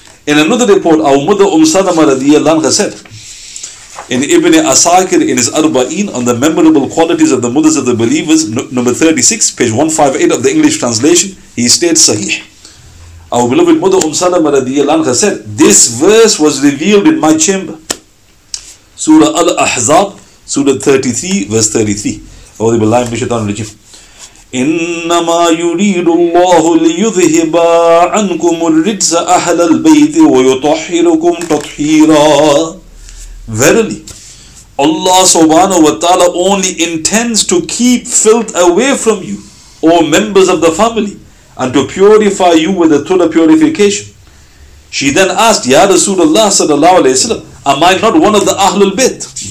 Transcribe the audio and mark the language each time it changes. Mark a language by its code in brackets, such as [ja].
[en] In another report, our mother Umm Salama radiyallahu anha said, in Ibn Asakir in his Arba'een on the memorable qualities of the mothers of the believers, number 36, page 158 of the English translation, he states Sahih. Our beloved mother Umm Salama radiyallahu anha said, this verse was revealed in my chamber. Surah Al-Ahzab, Surah 33, verse 33. [ar] أعوذ بالله من الشيطان الرجيم إنما يريد الله ليذهب عنكم الرجس أهل البيت ويطهركم تطهيرا. [en] Verily, Allah subhanahu wa ta'ala only intends to keep filth away from you, O members of the family, and to purify you with the thorough purification. She then asked, Ya Rasulullah sallallahu alayhi wa sallam, am I not one of the Ahlul Bayt?